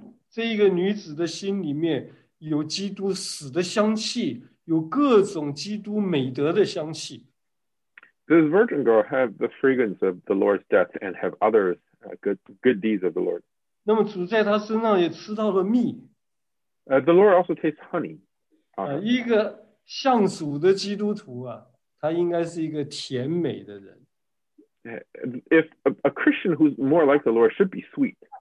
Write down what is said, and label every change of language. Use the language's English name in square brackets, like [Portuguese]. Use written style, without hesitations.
[Chinese] 这一个女子的心里面有基督死的香气，有各种基督美德的香气。 [English] This virgin girl have the fragrance of the Lord's death and have other good deeds of the Lord. [Chinese] 那么主在她身上也吃到了蜜。 [English] The Lord also tastes honey. [Chinese] 一个像主的基督徒啊，他应该是一个甜美的人。 [English] If a Christian who's more like the Lord should be sweet.